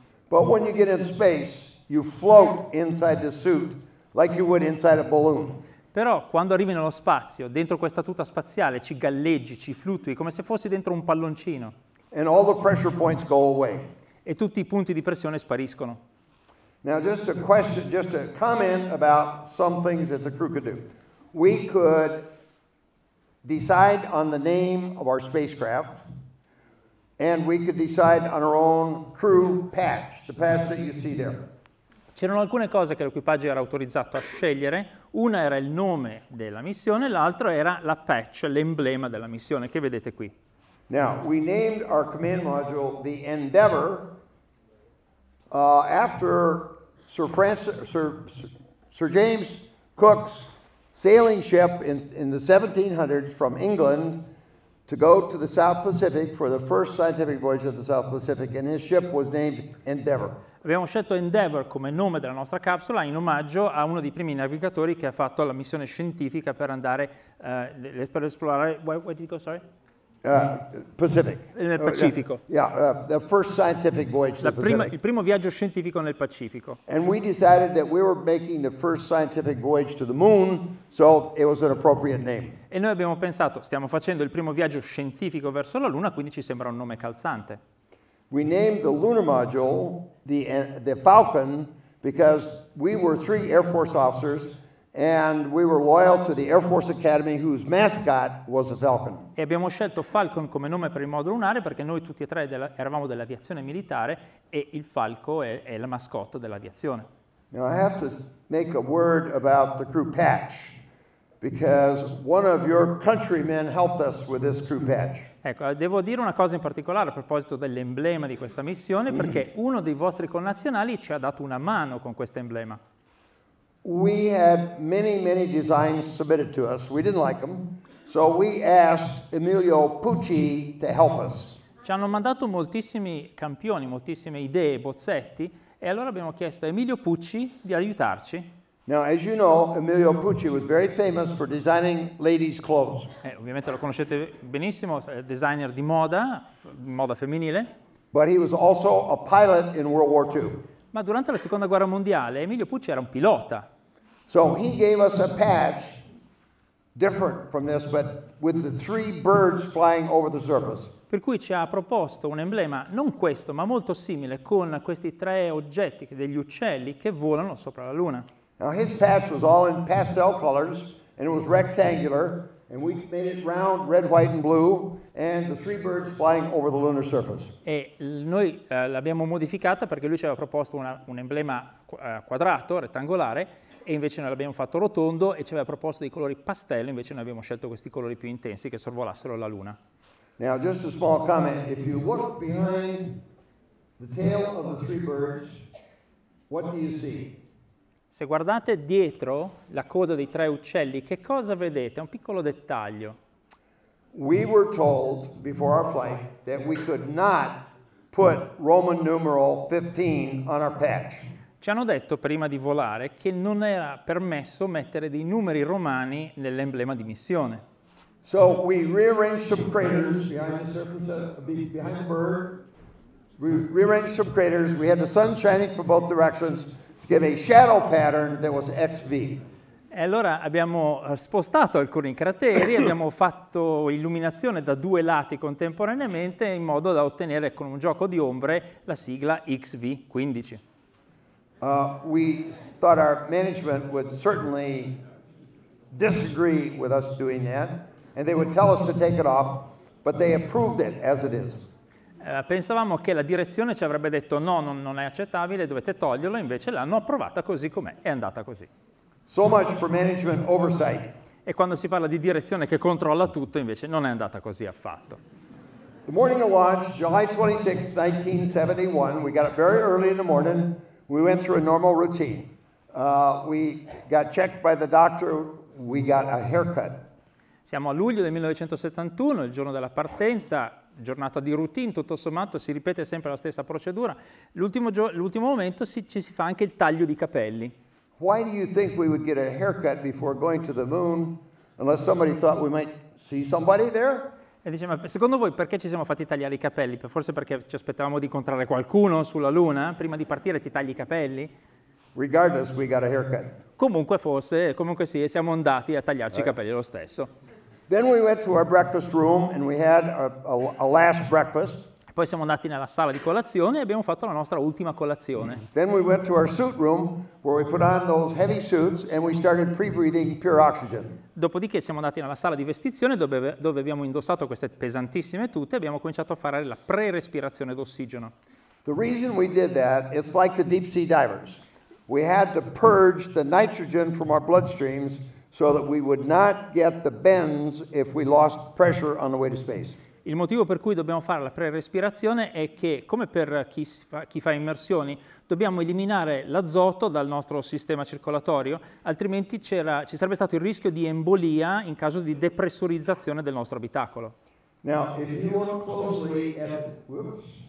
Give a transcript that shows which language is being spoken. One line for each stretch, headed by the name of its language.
English: But when you get in space, you float inside the suit like you would inside a balloon.
Italian: Però quando arrivi nello spazio, dentro questa tuta spaziale, ci galleggi, ci fluttui come se fossi dentro un palloncino.
English: And all the pressure points go away.
Italian: E tutti i punti di pressione spariscono.
English: Now just a question, just a comment about some things that the crew could do. We could decide on the name of our spacecraft, and we could decide on our own crew patch, the patch that you see there.
Italian: C'erano alcune cose che l'equipaggio era autorizzato a scegliere. Una era il nome della missione, l'altra era la patch, l'emblema della missione che vedete qui.
English: Now, we named our command module the Endeavour after Sir James Cook's sailing ship in the 1700s from England to go to the South Pacific for the first scientific voyage of the South Pacific, and his ship was named Endeavour.
Italian: Abbiamo scelto Endeavour come nome della nostra capsula in omaggio a uno dei primi navigatori che ha fatto la missione scientifica per andare per esplorare.
English: Where did you go, sorry? Pacific.
Italian: Nel Pacifico.
English: The first scientific voyage to the Pacific.
Italian: Il primo viaggio scientifico nel Pacifico.
English: And we decided that we were making the first scientific voyage to the moon, so it was an appropriate name.
Italian: E noi abbiamo pensato, stiamo facendo il primo viaggio scientifico verso la Luna, quindi ci sembra un nome calzante.
English: We named the lunar module the Falcon because we were three Air Force officers and we were loyal to the Air Force Academy whose mascot was a Falcon.
Italian: E abbiamo scelto Falcon come nome per il modulo lunare perché noi tutti e tre eravamo dell'aviazione militare e il falco è la mascotte dell'aviazione.
English: Now I have to make a word about the crew patch because one of your countrymen helped us with this crew patch.
Italian: Ecco, devo dire una cosa in particolare a proposito dell'emblema di questa missione, perché uno dei vostri connazionali ci ha dato una mano con questo emblema.
English: We had many, many designs submitted to us. We didn't like them. So we asked Emilio Pucci to help us.
Italian: Ci hanno mandato moltissimi campioni, moltissime idee, bozzetti, e allora abbiamo chiesto a Emilio Pucci di aiutarci.
English: Now, as you know, Emilio Pucci was very famous for designing ladies' clothes.
Italian: Ovviamente lo conoscete benissimo, designer di moda, moda femminile.
English: But he was also a pilot in World War II.
Italian: Ma durante la Seconda Guerra Mondiale, Emilio Pucci era un pilota.
English: So he gave us a patch different from this, but with the three birds flying over the surface.
Italian: Per cui ci ha proposto un emblema, non questo, ma molto simile, con questi tre oggetti, degli uccelli, che volano sopra la Luna.
English: Now his patch was all in pastel colors and it was rectangular and we made it round, red, white and blue and the three birds flying over the lunar surface.
Italian: E noi l'abbiamo modificata perché lui ci aveva proposto un emblema quadrato, rettangolare e invece noi l'abbiamo fatto rotondo e ci aveva proposto dei colori pastello, invece noi abbiamo scelto questi colori più intensi che sorvolassero la Luna.
English: Now just a small comment, if you look behind the tail of the three birds, what do you see?
Italian: Se guardate dietro la coda dei tre uccelli, che cosa vedete? Un piccolo dettaglio.
English: We were told before our flight that we could not put Roman numeral 15 on our patch.
Italian: Ci hanno detto prima di volare che non era permesso mettere dei numeri romani nell'emblema di missione.
English: So we rearranged some craters behind the surface of behind the bird. We rearranged some craters. We had the sun shining for both directions. Give a shadow pattern that was XV.
Italian: E allora abbiamo spostato alcuni crateri, abbiamo fatto illuminazione da due lati contemporaneamente in modo da ottenere con un gioco di ombre la sigla XV15.
English: We thought our management would certainly disagree with us doing that and they would tell us to take it off, but they approved it as it is.
Italian: Pensavamo che la direzione ci avrebbe detto no, non è accettabile, dovete toglierlo, invece l'hanno approvata così com'è, è andata così.
English: So much for management oversight.
Italian: E quando si parla di direzione che controlla tutto, invece non è andata così affatto.
English: The morning of launch, July 26, 1971, we got up very early in the morning, we went through a normal routine. We got checked by the doctor, we got a haircut.
Italian: Siamo a luglio del 1971, il giorno della partenza, giornata di routine, tutto sommato, si ripete sempre la stessa procedura. L'ultimo momento ci si fa anche il taglio di capelli.
English: Why do you think we would get a haircut before going to the moon unless somebody thought we might see somebody there?
Italian: E dice, ma secondo voi perché ci siamo fatti tagliare i capelli? Forse perché ci aspettavamo di incontrare qualcuno sulla Luna? Prima di partire ti tagli i capelli?
English: Regardless, we got a haircut.
Italian: Comunque fosse, comunque sì, siamo andati a tagliarci i capelli lo stesso.
English: Then we went to our breakfast room and we had a last breakfast.
Italian: Poi siamo andati nella sala di colazione e abbiamo fatto la nostra ultima colazione.
English: Then we went to our suit room where we put on those heavy suits and we started pre-breathing pure oxygen.
Italian: Dopodiché siamo andati nella sala di vestizione dove abbiamo indossato queste pesantissime tute e abbiamo cominciato a fare la pre-respirazione d'ossigeno.
English: The reason we did that, it's like the deep sea divers. We had to purge the nitrogen from our bloodstreams so that we would not get the bends if we lost pressure on the way to space.
Italian: Il motivo per cui dobbiamo fare la pre-respirazione è che, come per chi fa immersioni, dobbiamo eliminare l'azoto dal nostro sistema circolatorio, altrimenti ci sarebbe stato il rischio di embolia in caso di depressurizzazione del nostro abitacolo.
English: Now, if you look closely at... Whoops.